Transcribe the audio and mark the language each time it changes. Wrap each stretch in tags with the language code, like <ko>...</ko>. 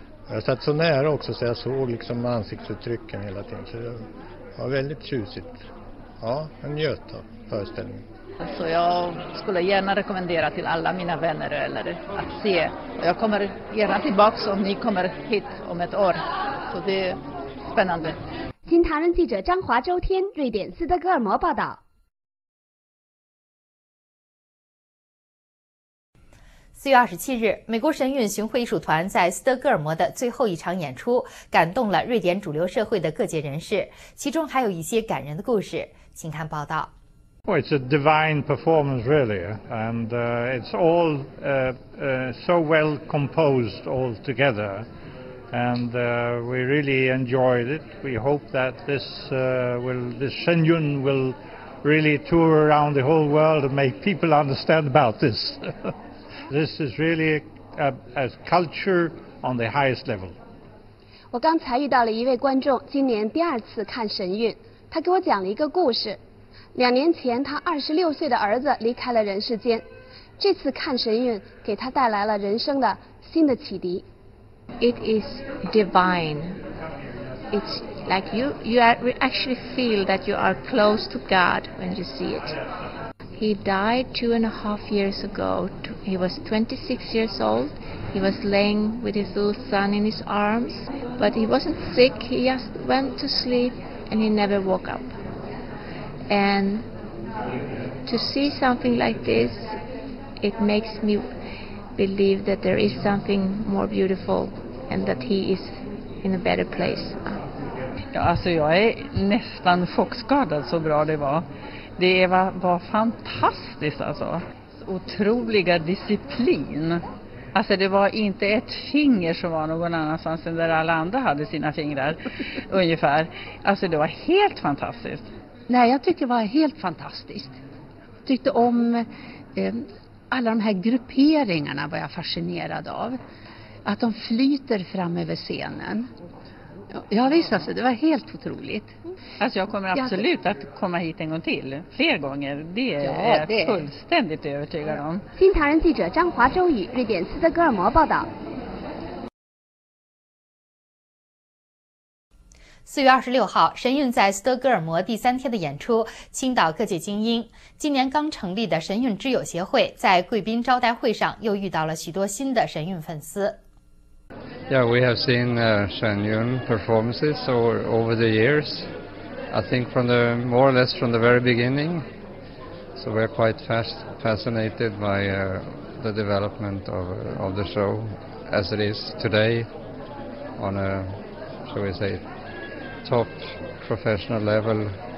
<sv>Jag satt så nära också så jag såg liksom ansiktsuttrycken hela tiden, så det var väldigt tjusigt. Ja, en njöt av föreställningen. Så jag skulle gärna rekommendera till alla mina vänner eller att se. Och jag kommer gärna tillbaka om ni kommer hit om ett år. Så det är spännande.</sv> <zh>新唐人记者张华、周天，瑞典斯德哥尔摩报道。 4月27日，美国神韵巡回艺术团在斯德哥尔摩的最后一场演出，感动了瑞典主流社会的各界人士，其中还有一些感人的故事，请看报道。</zh> <en>Well, it's a divine performance, really, and it's all so well composed all together, and we really enjoyed it. We hope that this神韵will really tour around the whole world and make people understand about this. This is really a culture on the highest level.</en> <zh>我刚才遇到了一位观众，今年第二次看神韵，他给我讲了一个故事。两年前，他26岁的儿子离开了人世间，这次看神韵给他带来了人生的新的启迪。</zh> <en>It is divine. It's like you actually feel that you are close to God when you see it. He died 2.5 years ago. He was 26 years old. He was laying with his little son in his arms, but he wasn't sick. He just went to sleep and he never woke up. And to see something like this, it makes me believe that there is something more beautiful and that he is in a better place.</en> <sv>Ja, alltså jag är nästan chockskadad så bra det var. Det var fantastiskt alltså. Otroliga disciplin. Alltså det var inte ett finger som var någon annanstans än där alla andra hade sina fingrar ungefär. Alltså det var helt fantastiskt. Nej, jag tyckte det var helt fantastiskt. Jag tyckte om alla de här grupperingarna var jag fascinerad av. Att de flyter fram över scenen. Ja visst, alltså, det var helt otroligt. Alltså jag kommer absolut att komma hit en gång till, fler gånger. Det är fullständigt övertygad om.</sv> <zh>新唐人记者张华、周宇，瑞典斯德哥尔摩报道。 4月26号，神韵在斯德哥尔摩第三天的演出倾倒各界精英。今年刚成立的神韵之友协会在贵宾招待会上又遇到了许多新的神韵粉丝。</zh> <en>Yeah, we have seen Shen Yun performances over the years. I think more or less from the very beginning. So we're quite fascinated by the development of the show as it is today on a, shall we say, top professional level.</en>